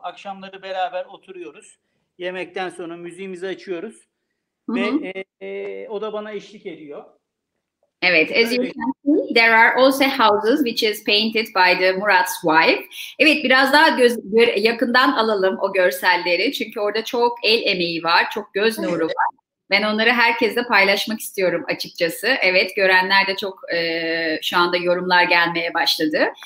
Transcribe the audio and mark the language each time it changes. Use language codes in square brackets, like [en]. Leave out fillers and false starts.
[tr] Akşamları beraber oturuyoruz. Yemekten sonra müziğimizi açıyoruz. Ve o da bana eşlik ediyor. [en] Evet, as you can see, there are also houses which is painted by the Murat's wife. [tr] Evet, biraz daha yakından alalım o görselleri. Çünkü orada çok el emeği var, çok göz nuru var. Ben onları herkesle paylaşmak istiyorum açıkçası. Evet, görenler de çok şu anda yorumlar gelmeye başladı.